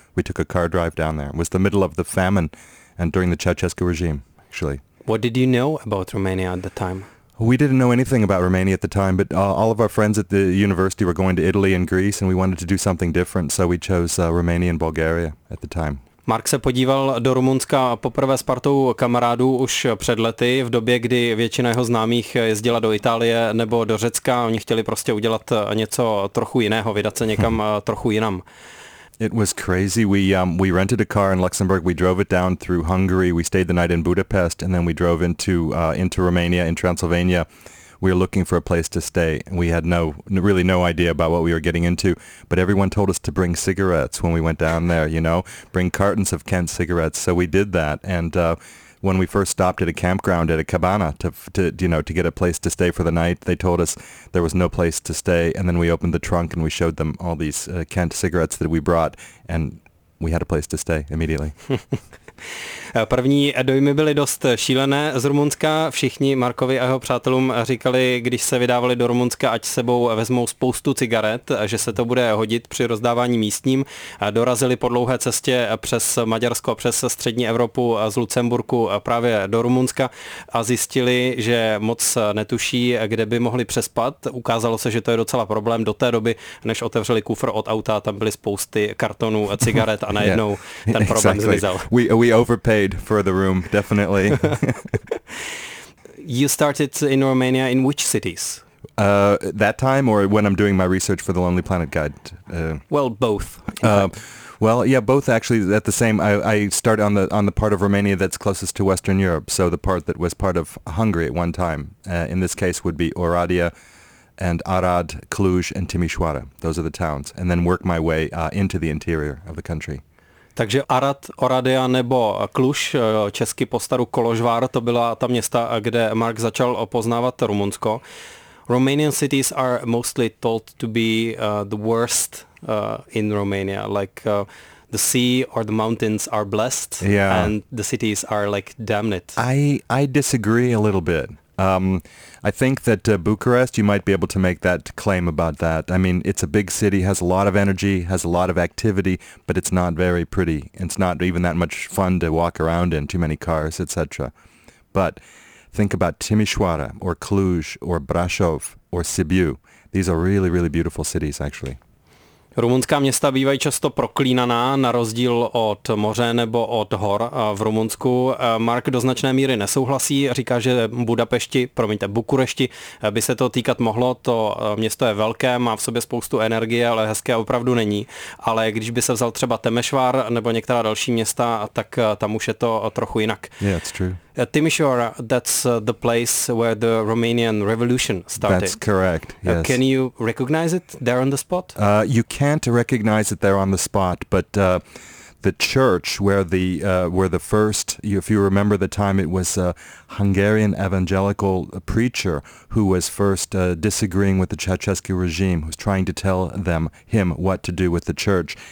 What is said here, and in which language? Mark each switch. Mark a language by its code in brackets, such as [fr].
[en] We took a car drive down there. It was the middle of the famine and during the Ceausescu regime, actually. What did you know about Romania at the time? We didn't know anything about Romania at the time, but all of our friends at the university were going to Italy and Greece, and we wanted to do something different, so we chose Romania and Bulgaria at the time. [cs] Mark se podíval do Rumunska poprvé s partou kamarádů už před lety, v době, kdy většina jeho známých jezdila do Itálie nebo do Řecka. Oni chtěli prostě udělat něco trochu jiného, vydat se někam trochu jinam. [en] It was crazy. We rented a car in Luxembourg. We drove it down through Hungary. We stayed the night in Budapest, and then we drove into Romania, in Transylvania. We were looking for a place to stay. We had no idea about what we were getting into, but everyone told us to bring cigarettes when we went down there, you know, bring cartons of Kent cigarettes. So we did that. And when we first stopped at a campground at a cabana to get a place to stay for the night, they told us there was no place to stay, and then we opened the trunk and we showed them all these Kent cigarettes that we brought, and we had a place to stay immediately. [cs] První dojmy byly dost šílené z Rumunska. Všichni Markovi a jeho přátelům říkali, když se vydávali do Rumunska, ať sebou vezmou spoustu cigaret, že se to bude hodit při rozdávání místním. Dorazili po dlouhé cestě přes Maďarsko, přes střední Evropu z Lucemburku právě do Rumunska a zjistili, že moc netuší, kde by mohli přespat. Ukázalo se, že to je docela problém do té doby, než otevřeli kufr od auta, tam byly spousty kartonů cigaret a najednou ten problém zmizel. [en] We overpaid for the room, definitely. You started in Romania in which cities? That time or when I'm doing my research for the Lonely Planet Guide? Well, both. Both actually at the same. I started on the part of Romania that's closest to Western Europe, so the part that was part of Hungary at one time. In this case would be Oradea and Arad, Cluj and Timișoara. Those are the towns. And then work my way into the interior of the country. [cs] Takže Arad, Oradea nebo Cluj, česky postaru Koložvár, to byla ta města, kde Mark začal poznávat Rumunsko. [en] Romanian cities are mostly told to be the worst in Romania, like the sea or the mountains are blessed, yeah, and the cities are like damned. I disagree a little bit. I think that Bucharest, you might be able to make that claim about that. I mean, it's a big city, has a lot of energy, has a lot of activity, but it's not very pretty. It's not even that much fun to walk around in, too many cars, etc. But think about Timișoara or Cluj or Brașov or Sibiu. These are really, really beautiful cities, actually. [cs] Rumunská města bývají často proklínaná, na rozdíl od moře nebo od hor v Rumunsku. Mark do značné míry nesouhlasí, říká, že Bukurešti by se to týkat mohlo. To město je velké, má v sobě spoustu energie, ale hezké opravdu není. Ale když by se vzal třeba Temešvar nebo některá další města, tak tam už je to trochu jinak. [en] Yeah, it's true. Timișoara, that's the place where the Romanian Revolution started. That's correct, yes. Can you recognize it there on the spot? You can't recognize it there on the spot, but the church where the first, if you remember the time, it was a Hungarian evangelical preacher who was first disagreeing with the Ceausescu regime, who was trying to tell them, him, what to do with the church.